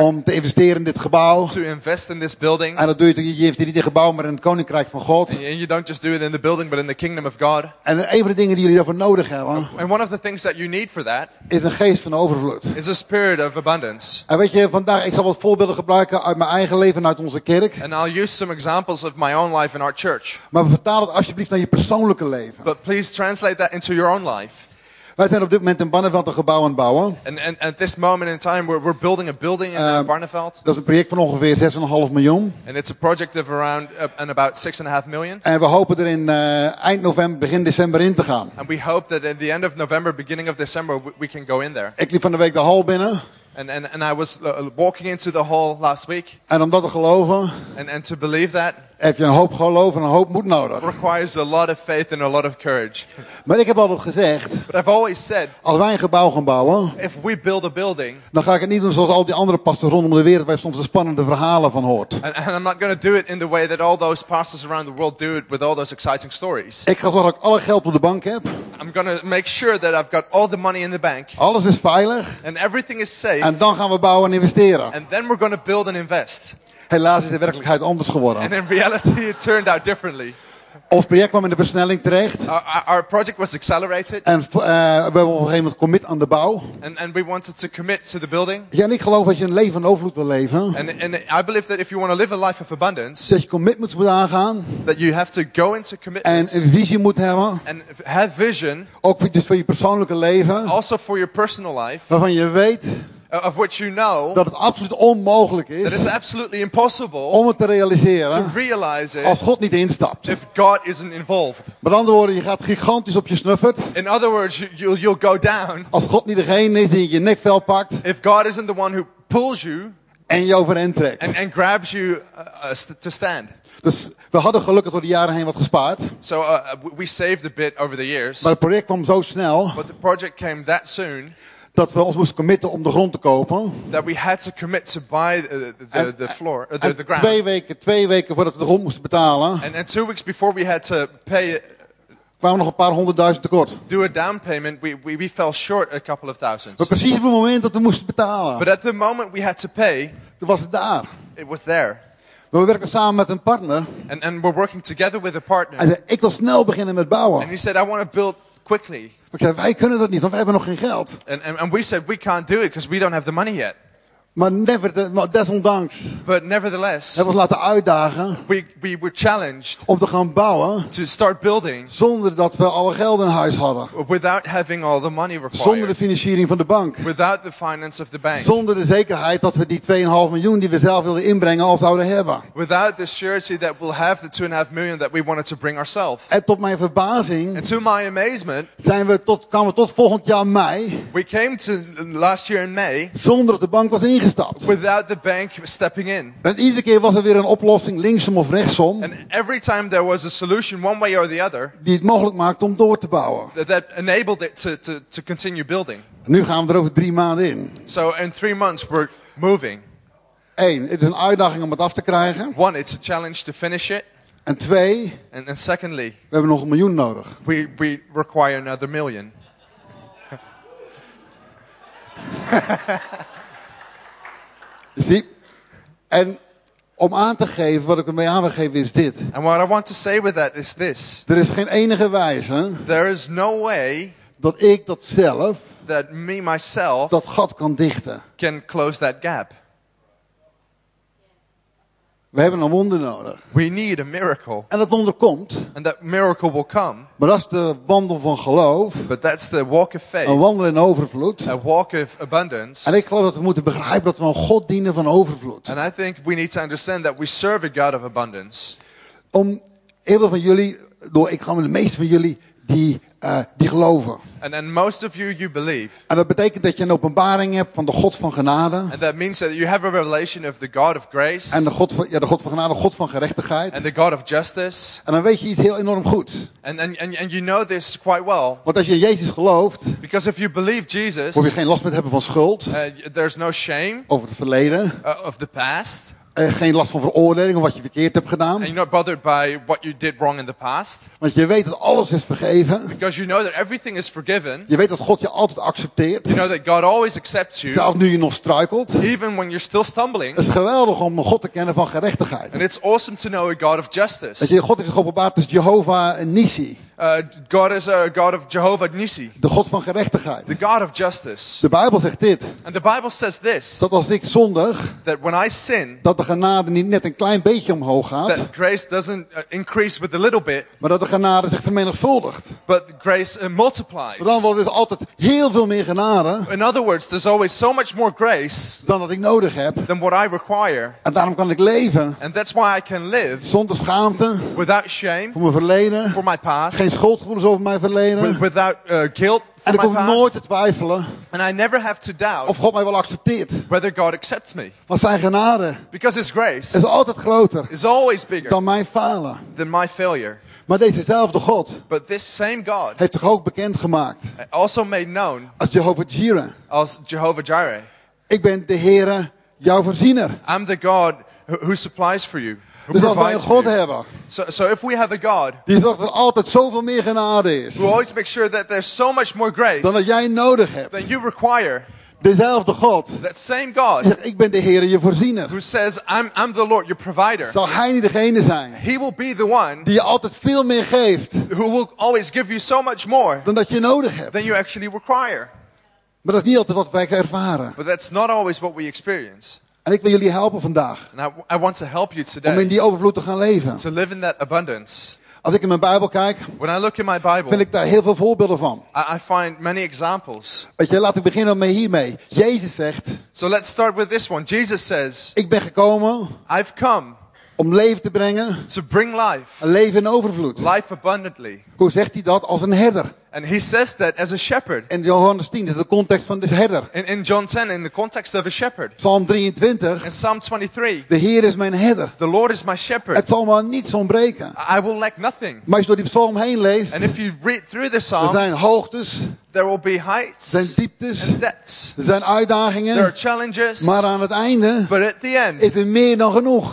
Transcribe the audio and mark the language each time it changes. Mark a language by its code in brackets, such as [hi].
[nl] Om te investeren in dit gebouw. [en] To invest in this building. [nl] En dat doe je natuurlijk niet in het gebouw, maar in het koninkrijk van God. [en] And you don't just do it in the building, but in the kingdom of God. [nl] En een van de dingen die jullie daarvoor nodig hebben. [en] And one of the things that you need for that. [nl] Is een geest van overvloed. [en] Is a spirit of abundance. [nl] En weet je, vandaag ik zal wat voorbeelden gebruiken uit mijn eigen leven en uit onze kerk. [en] And I'll use some examples of my own life in our church. [nl] Maar vertaal het alsjeblieft naar je persoonlijke leven. [en] But please translate that into your own life. [nl] Wij zijn op dit moment in Barneveld een gebouw aan het bouwen. [en] And at this moment in time we're building a building in Barneveld. [nl] Dat is een project van ongeveer 6,5 miljoen. [en] And it's a project of around and about 6.5 million. [nl] En we hopen er in eind november, begin december in te gaan. [en] And we hope that at the end of November, beginning of December, we can go in there. [nl] Ik liep van de week de hal binnen. [en] And I was walking into the hall last week. [nl] En om dat te geloven. [en] And to believe that. [nl] Heb je een hoop geloof en een hoop moed nodig. [en] Requires a lot of faith and a lot of courage. [nl] Maar ik heb altijd gezegd. [en] But I've always said. [nl] Als wij een gebouw gaan bouwen. [en] If we build a building. [nl] Dan ga ik het niet doen zoals al die andere pastors rondom de wereld waar je soms de spannende verhalen van hoort. [en] And I'm not going to do it in the way that all those pastors around the world do it with all those exciting stories. [nl] Ik ga zorgen dat ik alle geld op de bank heb. [en] I'm going to make sure that I've got all the money in the bank. [nl] Alles is veilig. [en] And everything is safe. [nl] En dan gaan we bouwen en investeren. [en] And then we're going to build and invest. [nl] Helaas is de werkelijkheid anders geworden. [en] And in reality, it turned out differently. [nl] Ons project kwam in de versnelling terecht. [en] Our project was accelerated. [nl] En we hebben op een gegeven moment commit aan de bouw. [en] And we wanted to commit to the building. [nl] Ja, en ik geloof dat je een leven van overvloed wil leven. [en] And I believe that if you want to live a life of abundance. [nl] Dat je commitment moet aangaan. [en] That you have to go into commitment. [nl] En een visie moet hebben. [en] And have vision. [nl] Ook dus voor je persoonlijke leven. [en] Also for your personal life. [nl] Waarvan je weet. [en] Of which you know, [nl] dat het absoluut onmogelijk is. [en] That it's absolutely impossible [nl] om het te realiseren. [en] To realize it, [nl] als God niet instapt. [en] If God isn't involved. [nl] Met andere woorden, je gaat gigantisch op je snuffert. [en] In other words, you'll go down. [nl] Als God niet degene is die je nekvel pakt. [en] If God isn't the one who pulls you. [nl] En je overeind trekt. [en] And grabs you to stand. [nl] Dus we hadden gelukkig door de jaren heen wat gespaard. [en] So we saved a bit over the years. [nl] Maar het project kwam zo snel. [en] But the project came that soon. [nl] Dat we ons moesten committen om de grond te kopen. [en] That we had to commit to buy the floor, the ground. [nl] Twee weken voordat we de grond moesten betalen. [en] And 2 weeks before we had to pay. [nl] Kwamen nog een paar honderdduizend tekort. [en] Do a down payment, we fell short a couple of thousands. [nl] Maar precies op het moment dat we moesten betalen. [en] But at the moment we had to pay. [nl] Toen was het daar. [en] It was there. [nl] Maar we werken samen met een partner. [en] And we're working together with a partner. [nl] Hij zei, ik wil snel beginnen met bouwen. [en] And he said, I want to build quickly. [nl] Ik zei, wij kunnen dat niet, want wij hebben nog geen geld. [en] And we said we can't do it because we don't have the money yet. [nl] Maar desondanks. [en] But nevertheless. [nl] Hebben we ons laten uitdagen. [en] We were challenged. [nl] Om te gaan bouwen. [en] To start building. [nl] Zonder dat we alle geld in huis hadden. [en] Without having all the money required. [nl] Zonder de financiering van de bank. [en] Without the finance of the bank. [nl] Zonder de zekerheid dat we die 2,5 miljoen die we zelf wilden inbrengen al zouden hebben. [en] Without the surety that we'll have the 2,5 million that we wanted to bring ourselves. [nl] En tot mijn verbazing. [en] And to my amazement. [nl] Kwamen we tot volgend jaar mei. [en] We came to last year in May. [nl] Zonder dat de bank was ingestapt. [en] Without the bank stepping in. [nl] En iedere keer was er weer een oplossing, linksom of rechtsom. [en] And every time there was a solution, one way or the other. [nl] Die het mogelijk maakte om door te bouwen. [en] That enabled it to continue building. [nl] En nu gaan we er over 3 maanden in. [en] So in 3 months we're moving. [nl] 1. Het is een uitdaging om het af te krijgen. [en] 1. It's a challenge to finish it. [nl] En 2. [en] And secondly. [nl] We hebben nog 1 miljoen nodig. [en] We require another million. [nl] Zie, en om aan te geven, wat ik ermee aan wil geven is dit. [en] And what I want to say with that is this. [nl] Er is geen enige wijze. [en] There is no way. [nl] Dat ik dat zelf. [en] That me myself. [nl] Dat gat kan dichten. [en] Can close that gap. [nl] We hebben een wonder nodig. [en] We need a miracle. [nl] En dat wonder komt. [en] And that miracle will come. [nl] Maar dat is de wandel van geloof. [en] But that's the walk of faith. [nl] Een wandel in overvloed. [en] A walk of abundance. [nl] En ik geloof dat we moeten begrijpen dat we een God dienen van overvloed. [en] And I think we need to understand that we serve a God of abundance. [nl] Om heel veel van jullie, door ik ga met de meeste van jullie die geloven. [en] And most of you believe. [nl] En dat betekent dat je een openbaring hebt van de God van genade. [en] And that means that you have a revelation of the God of grace. [nl] En de God van de God van genade, God van gerechtigheid. [en] And the God of justice. [nl] En dan weet je iets heel enorm goed. [en] And you know this quite well. [nl] Want als je in Jezus gelooft, [en] because if you believe Jesus, [nl] hoef je geen last meer te hebben van schuld. [en] There's no shame [nl] over het verleden. [en] Of the past. [nl] Geen last van veroordeling of wat je verkeerd hebt gedaan. [en] And you're not bothered by what you did wrong in the past. [nl] Want je weet dat alles is vergeven. [en] Because you know that everything is forgiven. [nl] Je weet dat God je altijd accepteert. [en] You know that God always accepts you. [nl] Zelfs nu je nog struikelt. [en] Even when you're still stumbling. [nl] Het is geweldig om een God te kennen van gerechtigheid. [en] And it's awesome to know a God of justice. [nl] Dat je God heeft geopenbaard als Jehovah Nissi. [en] God is a God of Jehovah Nissi. [nl] De God van gerechtigheid. [en] The God of justice. [nl] De Bijbel zegt dit. [en] And the Bible says this. [nl] Dat als ik zondig. [en] That when I sin. [nl] Dat de genade niet net een klein beetje omhoog gaat. [en] That grace doesn't increase with a little bit. [nl] Maar dat de genade zich vermenigvuldigt. [en] But grace multiplies. [nl] Dan wordt er altijd heel veel meer genade. [en] In other words, there's always so much more grace. [nl] Dan wat ik nodig heb. [en] Than what I require. [nl] En daarom kan ik leven. [en] And that's why I can live. [nl] Zonder schaamte. [en] Without shame. [nl] Voor mijn verleden. [en] For my past. [nl] Geen schuldgevoelens over mijn verleden. [en] Without guilt. [nl] En ik hoef nooit te twijfelen. [en] And I never have to doubt. [nl] Of God mij wel accepteert. [en] Whether God accepts me. [nl] Want zijn genade. [en] Because his grace. [nl] Is altijd groter. [en] Is always bigger. [nl] Dan mijn falen. [en] Than my failure. [nl] Maar dezezelfde God. [en] But this same God. [nl] Heeft zich ook bekend gemaakt. [en] Also made known. [nl] Als Jehovah Jireh. [en] Als Jehovah Jireh. [nl] Ik ben de Heere, jouw voorziener. [en] I'm the God who supplies for you. [nl] Dus als wij een God hebben. [en] So if we have a God. [nl] Die zorgt dat er altijd zoveel meer genade is. [en] We always make sure that there's so much more grace. [nl] Dan dat jij nodig hebt. [en] Than you require. [nl] Dezelfde God. [en] That same God. [nl] Zegt, ik ben de Heer, je voorziener. [en] Who says, I'm the Lord, your provider. [nl] Zal hij niet degene zijn? [en] He will be the one. [nl] Die je altijd veel meer geeft. [en] Who will always give you so much more. [nl] Dan dat je nodig hebt. [en] Than you actually require. [nl] Maar dat is niet altijd wat wij ervaren. [en] But that's not always what we experience. [nl] En ik wil jullie helpen vandaag. [en] And I want to help you today. [nl] Om in die overvloed te gaan leven. [en] To live in that abundance. [nl] Als ik in mijn Bijbel kijk, [en] when I look in my Bible, [nl] vind ik daar heel veel voorbeelden van. [en] I find many examples. [nl] Weet je, laat ik beginnen met hiermee. Jezus zegt, [en] so let's start with this one. Jesus says, [nl] ik ben gekomen, [en] I've come, [nl] om leven te brengen, [en] to bring life, [nl] een leven in overvloed, [en] life abundantly. [nl] Hoe zegt hij dat als een herder? [en] And he says that as a shepherd. [nl] In Johannes 10, dat is de context van de herder. [en] In John 10, in the context of a shepherd. [nl] Psalm 23. [en] In Psalm 23. [nl] De Heer is mijn herder. [en] The Lord is my shepherd. [nl] Het zal me niets ontbreken. [en] I will lack nothing. [nl] Maar als je door die psalm heen leest. [en] And if you read through the psalm. [nl] Er zijn hoogtes. [en] There will be heights. [nl] Er zijn dieptes. [en] And depths. [nl] Er zijn uitdagingen. [en] There are challenges. [nl] Maar aan het einde. [en] But at the end. [nl] Is er meer dan genoeg.